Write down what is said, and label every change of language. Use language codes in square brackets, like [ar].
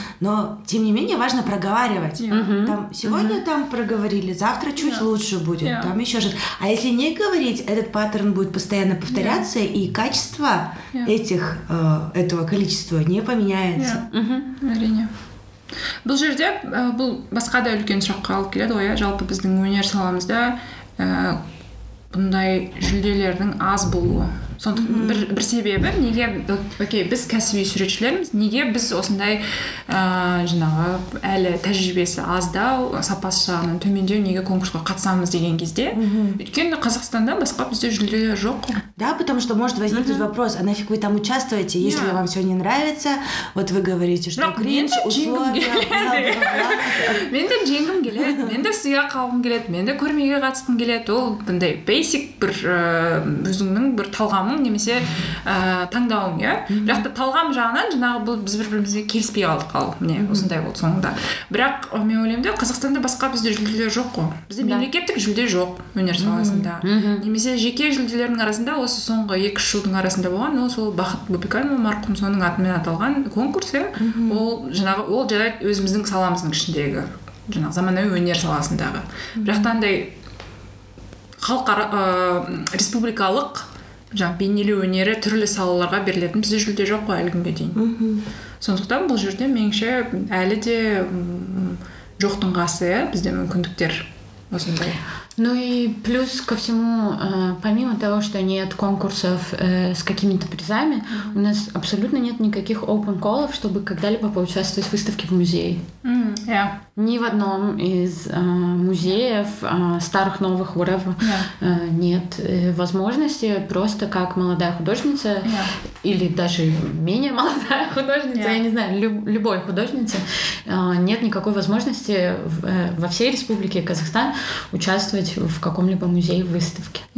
[ru] Но, тем не менее, важно проговаривать. Там, сегодня там проговорили, завтра чуть лучше будет, там еще что-то. А если не говорить, этот паттерн будет постоянно повторяться, и качество этих, этого количества не поменяется. [kk] Әрине. Бұл жерде бұл басқа да үлкен сұраққа алып келеді ғой, жалпы біздің өнер саламызда бұндай жүлделердің аз болуы. Сондықтан бір себебі, неге, окей, біз кәсіби суретшілерміз, неге біз осындай жаңағы әлі тәжірибесі аздау, сапасы жағынан төмендеу, неге конкурсқа қатысамыз деген кезде, өйткені Қазақстанда басқа бізде жүлделер жоқ. [ru] Да, потому что может возникнуть вопрос, а нафиг вы там участвуете, если вам все не нравится, вот вы говорите, что кринж, условия. [kk] Мен де жеңгім келеді, мен де сұя қалғым келеді, мен де көрмеге қатысқым келеді, ол бұндай basic бір өзіңнің бір талғамың, немесе таңдауың, иә? Бірақ талғам жағынан жаңағы бұл біз бір-бірімізге келіспей қалдық, ал міне осындай болды соңында. Бірақ мен ойлаймын, Қазақстанда басқа бізде жүлделер жоқ қой. Бізде мемлекеттік жүлде жоқ өнер саласында. Немесе жеке жүлделердің арасында осы соңғы 2-3 жылдың арасында болған, ол сол Бақыт Бөпекәлімова марқұм соның атымен аталған конкурс, иә? Ол жаңағы ол жарай өзіміздің саламыздың ішіндегі жаңағы заманауи өнер саласындағы. Бірақ таңдай халықара республикалық жаңа бейнелеу өнері түрлі салаларға берілетін бізде жүлде жоқ қой әлі күнге дейін. Сондықтан бұл жерде меніңше әлі де жоқтың қасы, бізде мүмкіндіктер осындай. [ru] Ну и плюс ко всему, помимо того, что нет конкурсов с какими-то призами, у нас абсолютно нет никаких open call'ов, чтобы когда-либо поучаствовать в выставке в музее. Ни в одном из музеев, старых, новых, whatever, нет возможности просто как молодая художница или даже менее молодая художница, я не знаю, любой художница, нет никакой возможности во всей республике Казахстан участвовать в каком-либо музее, в выставке.